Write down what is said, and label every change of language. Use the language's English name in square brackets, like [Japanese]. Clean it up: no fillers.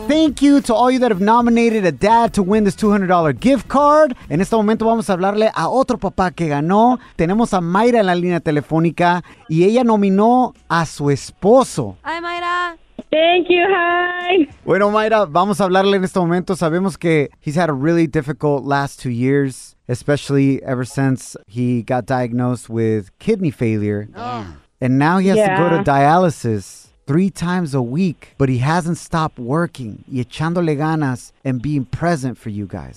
[English] Thank you to all you that have nominated a dad to win this $200 gift card. [Spanish] En este momento vamos a hablarle a otro papá que ganó. Tenemos a Mayra en la línea telefónica y ella nominó a su esposo. [English] Hi, Mayra. Thank you. Hi. [Spanish] Bueno, Mayra, vamos a hablarle en este momento. Sabemos que [English] he's had a really difficult last 2 years. Especially ever since he got diagnosed with kidney failure. Yeah. And now he has to go to dialysis 3 times a week, but he hasn't stopped working [Spanish] y echándole ganas [English] and being present for you guys.